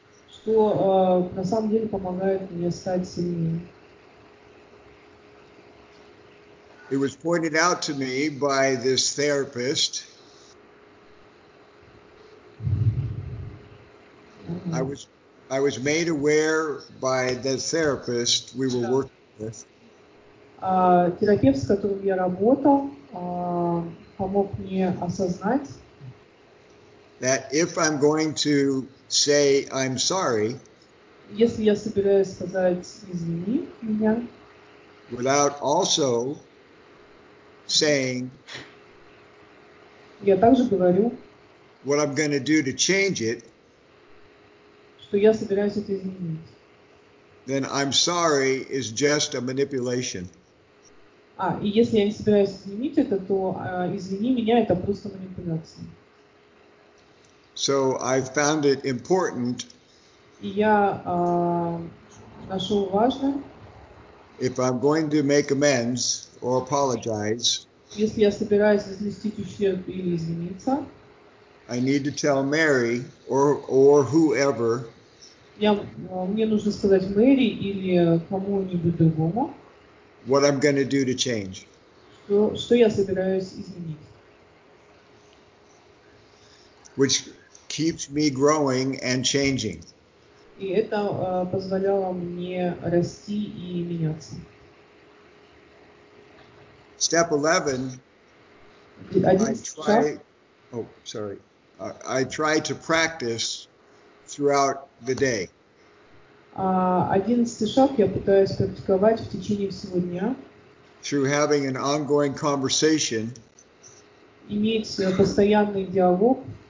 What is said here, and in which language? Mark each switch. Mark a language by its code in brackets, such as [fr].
[ru] Что на самом деле помогает мне стать сильнее. [en] It was pointed out to me by this therapist. I was made aware by the therapist we were working with. [ru] Терапевт, с которым я работал, помог мне осознать [en] that if I'm going to say I'm sorry, [ru] если я собираюсь сказать извини меня, [en] without also saying [ru] я также говорю, [en] what I'm going to do to change it, [ru] что я собираюсь это изменить, [en] then I'm sorry is just a manipulation. [ru] И если я не собираюсь изменить это, то извини меня, это просто манипуляция. [en] So I found it important. [ru] И я нашел важным, [en] if I'm going to make amends or apologize, [ru] если я собираюсь возместить ущерб или извиниться, [en] I need to tell Mary or whoever. [ru] Мне нужно сказать Мэри или кому-нибудь другому. [en] What I'm going to do to change. [ru] Что я собираюсь изменить. [en] Which keeps me growing and changing. [ru] И это позволяло мне расти и меняться. [en] Step 11, I try to practice throughout the day. [ru] 11 шаг я пытаюсь практиковать в течение всего дня. [en] Through having an ongoing conversation. [ru] Иметь постоянный диалог.